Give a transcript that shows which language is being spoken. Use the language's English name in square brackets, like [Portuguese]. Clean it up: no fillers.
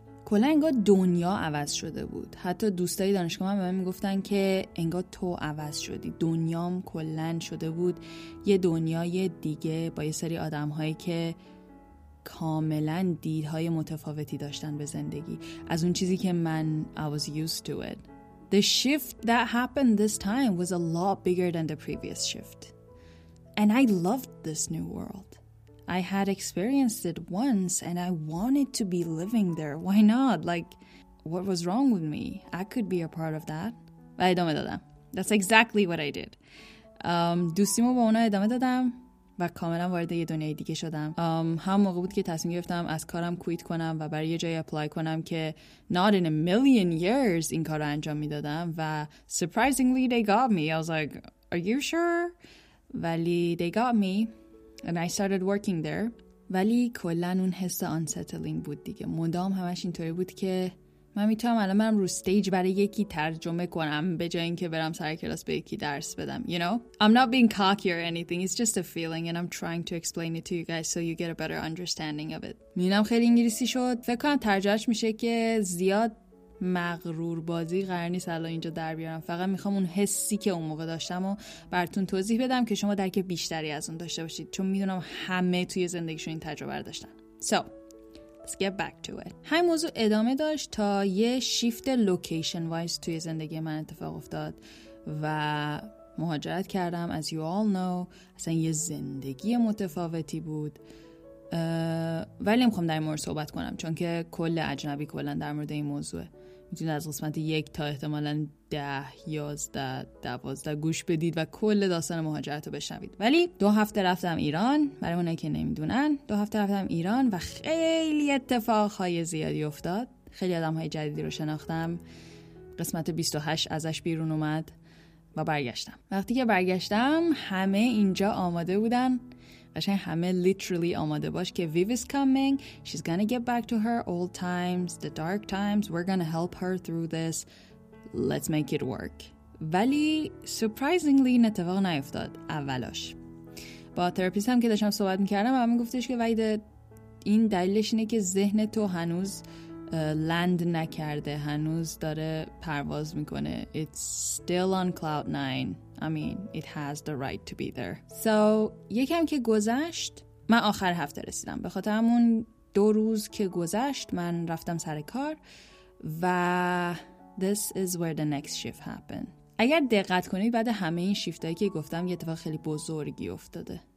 [Persian] کلا انگار دنیا عوض شده بود. حتی دوستای دانشگاه من به من میگفتن که انگار تو عوض شدی. دنیام کلا شده بود یه دنیای دیگه با یه سری آدمهایی که کاملا دیدهای متفاوتی داشتن به زندگی از اون چیزی که من [English] I was used to it. The shift that happened this time was a lot bigger than the previous shift. And I loved this new world. I had experienced it once and I wanted to be living there. Why not? Like, what was wrong with me? I could be a part of that. [Persian] و ادامه دادم. [English] That's exactly what I did. [Persian] دوستیمو با اونا ادامه دادم و کاملا وارد یه دنیای دیگه شدم. هم موقع بود که تصمیم گرفتم از کارم کویت کنم و برای یه جای اپلای کنم که [English] not in a million years [Persian] این کار رو انجام میدادم و [English] surprisingly they got me. I was like, are you sure? [Persian] ولی [English] they got me. And I started working there. [Persian] ولی کلن اون حس unsettling بود دیگه. مدام همش اینطوری بود که من میتونم الان برم رو استیج برای یکی ترجمه کنم به جای اینکه برم سر کلاس به یکی درس بدم. [English] You know? I'm not being cocky or anything. It's just a feeling and I'm trying to explain it to you guys so you get a better understanding of it. [Persian] میدونم خیلی انگلیسی شد. فکر کنم ترجمهش میشه که زیاد مغرور بازی قرار نیست الان اینجا در بیارم فقط میخوام اون حسی که اون موقع داشتم و براتون توضیح بدم که شما درک بیشتری از اون داشته باشید چون میدونم همه توی زندگیشون این تجربه رو داشتن. [English] So, let's get back to it. [Persian] همین موضوع ادامه داشت تا یه شیفت لوکیشن وایز توی زندگی من اتفاق افتاد و مهاجرت کردم. [English] As you all know [Persian] اصلا یه زندگی متفاوتی بود ولی میخوام در این مورد صحبت کنم چون که کل اجنبی کلا در مورد این موضوع میتونید از قسمت 1 تا احتمالاً 10-12 گوش بدید و کل داستان مهاجرت رو بشنوید. ولی 2 هفته رفتم ایران. برای اونایی که نمیدونن 2 هفته رفتم ایران و خیلی اتفاقهای زیادی افتاد. خیلی آدمهای جدیدی رو شناختم. قسمت 28 ازش بیرون اومد و برگشتم. وقتی که برگشتم همه اینجا آماده بودن و قشنگ همه [English] literally [Persian] آماده باش که [English] Viv is coming, she's gonna get back to her old times, the dark times, we're gonna help her through this, let's make it work. [Persian] ولی surprisingly این اتفاق نیفتاد اولش. با تراپیست هم که داشتم صحبت میکردم و همین گفتش که وحیده این دلیلش اینه که ذهن تو هنوز لند نکرده، هنوز داره پرواز میکنه. [English] It's still on cloud nine. I mean, it has the right to be there. [Persian] So, یکم که گذشت، من آخر هفته رسیدم. به خاطر همون دو روز که گذشت، من رفتم سر کار و [English] this is where the next shift happened. [Persian] اگر دقت کنید، بعد همه این شیفتایی که گفتم، یه اتفاق خیلی بزرگی افتاده.